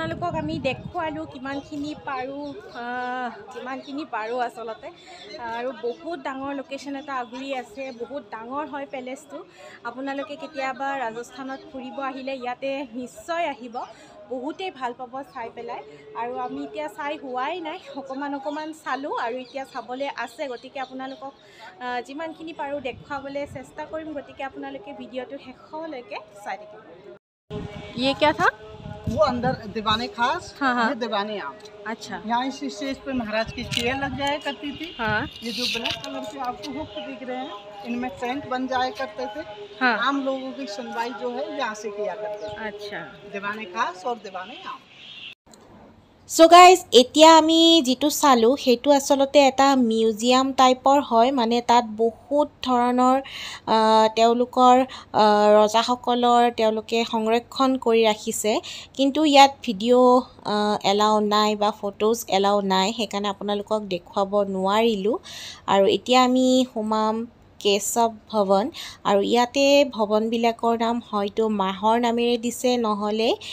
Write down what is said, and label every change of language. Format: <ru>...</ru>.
<as>আপোনালোকক আমি দেখুৱালো কিমানখিনি পাৰো কিমানখিনি পাৰো আসলতে আৰু বহুত ডাঙৰ লোকেশন এটা আগুৰি আছে বহুত ডাঙৰ হয় প্যালেসটো আপোনালোকে কেতিয়াবা ৰাজস্থানত ফুৰিব আহিলে ইয়াতে নিশ্চয় আহিব বহুতে ভাল পাব চাই পেলাই আৰু আমি এতিয়া চাই হোৱাই নাই অকণমান অকণমান চালোঁ আৰু এতিয়া চাবলৈ আছে গতিকে আপোনালোকক যিমানখিনি পাৰোঁ দেখুৱাবলৈ চেষ্টা কৰিম গতিকে আপোনালোকে ভিডিঅ'টো শেষলৈকে চাই থাকিব</as> <hi>ये क्या था वो अंदर दीवाने खास दीवाने आम अच्छा यहाँ इस स्टेज पे महाराज की चेयर लग जाया करती थी हाँ। ये जो ब्लैक कलर के आपको हुक दिख रहे हैं इनमें टेंट बन जाया करते थे हाँ। आम लोगों की सुनवाई जो है यहाँ से किया करते थे अच्छा दीवाने खास और दीवाने आम</hi> <as>সো গাইজ এতিয়া আমি যিটো চালোঁ সেইটো আচলতে এটা মিউজিয়াম টাইপৰ হয় মানে তাত বহুত ধৰণৰ তেওঁলোকৰ ৰজাসকলৰ তেওঁলোকে সংৰক্ষণ কৰি ৰাখিছে কিন্তু ইয়াত ভিডিঅ' এলাও নাই বা ফটোজ এলাও নাই সেইকাৰণে আপোনালোকক দেখুৱাব নোৱাৰিলোঁ আৰু এতিয়া আমি সোমাম কেশৱ ভৱন আৰু ইয়াতে ভৱনবিলাকৰ নাম হয়তো মাহৰ নামেৰে দিছে নহ'লে</as>